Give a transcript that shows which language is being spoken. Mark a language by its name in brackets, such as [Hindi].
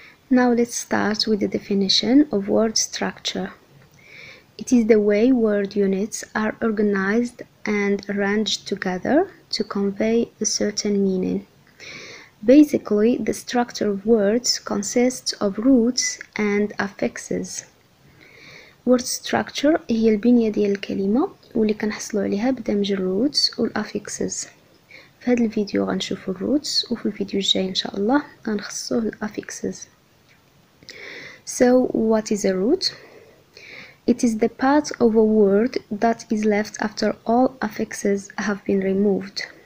[English] Now let's start with the definition of word structure. It is the way word units are organized and arranged together to convey a certain meaning. Basically, the structure of words consists of roots and affixes. [Arabic] Word structure هي البنية ديال الكلمة واللي كنحصلوا عليها بدمج الroots والaffixes. في هذا الفيديو غنشوفوا الroots وفي الفيديو الجاي إن شاء الله غنخصصوا الaffixes. [English] So, what is a root? It is the part of a word that is left after all affixes have been removed.